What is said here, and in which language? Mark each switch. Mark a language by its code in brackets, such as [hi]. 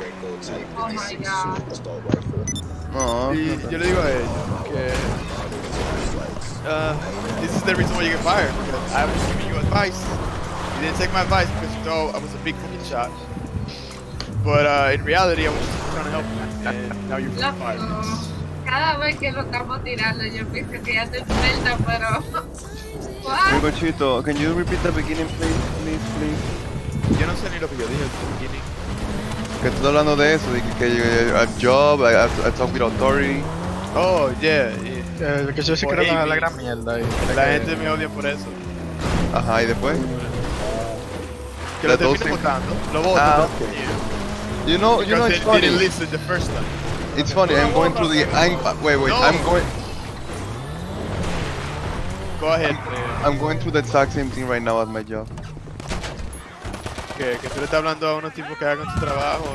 [en] Oh, my God. [es] Y yo le digo a él que... [en] this is the reason why you get fired, because I was giving you advice. You didn't take my advice because you thought I was a big fucking shot. But in reality, I was just trying to help you, and now you're fired. [es] Cada vez que lo estamos tirando, yo pienso que ya te suelta, pero... [en] What? Cochito, can you repeat the beginning, please? [es] Yo no sé ni lo que yo dije [en] at the beginning. [es] Que estás hablando de eso, de que yo [en] have a job, I talk with authority. Oh, yeah. [es] Que yo sé que era la gran mierda y la gente me odia por eso. Ajá, ¿y después? Que lo termine votando. Lo voto. [en] Ah, okay. You know it's funny. Didn't listen the first time. It's funny, I'm going through the... I'm going... Go ahead. I'm going through the exact same thing right now at my job. [es] Que tú le estás hablando a unos tipos que hagan su trabajo,